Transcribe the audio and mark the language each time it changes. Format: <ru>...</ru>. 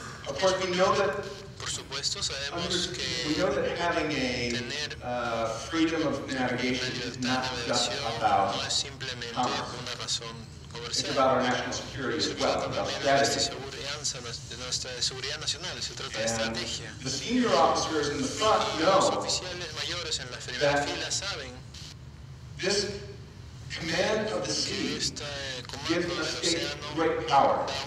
<en>Of course, we know that having a freedom of navigation is not just about commerce. It's about our national security as well, about strategy.</en> <es>De nuestra seguridad nacional, se trata de estrategia.</es> <en>The senior officers in the front know</en> <es>los oficiales mayores en la primera fila saben</es> <en>this command of the sea gives the state great power.</en>